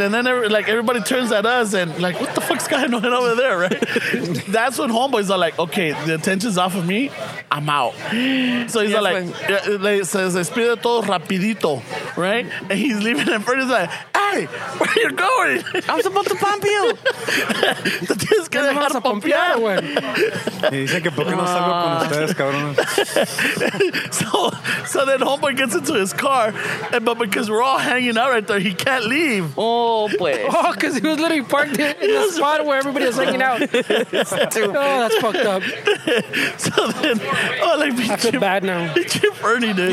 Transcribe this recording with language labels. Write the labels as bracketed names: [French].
[English] And then, like, everybody turns at us and, like, what the fuck's going on over there, right? That's when homeboys are like, okay, the attention's off of me. I'm out. So he's like, [Spanish] se despide todo rapidito, [English] right? And he's leaving and Fernie's like, hey, where are you going? I was about to pump you. [Spanish] Te tienes que dejar pompear, güey. Y dice que, ¿por qué no salgo con ustedes, cabrón? [English] So then homeboy gets into his car, but because we're all hanging out right there, he can't leave. [Spanish] Oh, pues. [English] Oh, because he was literally parked in the spot where everybody was hanging out. Oh, that's fucked up. So then, I feel bad now. Fernie, dude.